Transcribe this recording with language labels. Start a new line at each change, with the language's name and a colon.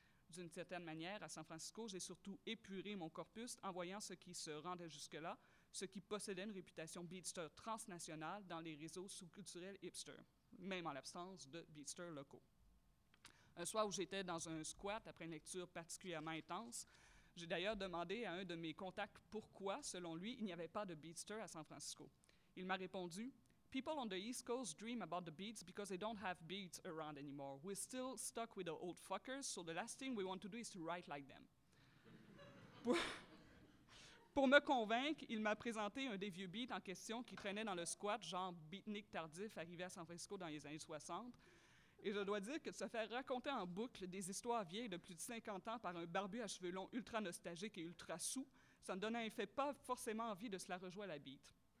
French: D'une certaine manière, à San Francisco, j'ai surtout épuré mon corpus en voyant ce qui se rendait jusque-là, ce qui possédait une réputation beatster transnationale dans les réseaux sous-culturels hipster, même en l'absence de beatster locaux. Un soir où j'étais dans un squat après une lecture particulièrement intense, j'ai d'ailleurs demandé à un de mes contacts pourquoi, selon lui, il n'y avait pas de beatster à San Francisco. Il m'a répondu
English: « People on the East Coast dream about the beats because they don't have beats around anymore. We're still stuck with the old fuckers, so the last thing we want to do is to write like them.
French: Pour me convaincre, il m'a présenté un des vieux beats en question qui traînait dans le squat, genre beatnik tardif arrivé à San Francisco dans les années 60. Et je dois dire que de se faire raconter en boucle des histoires vieilles de plus de 50 ans par un barbu à cheveux longs ultra nostalgique et ultra saoul, ça ne donnait en fait pas forcément envie de se la rejouer à la beat.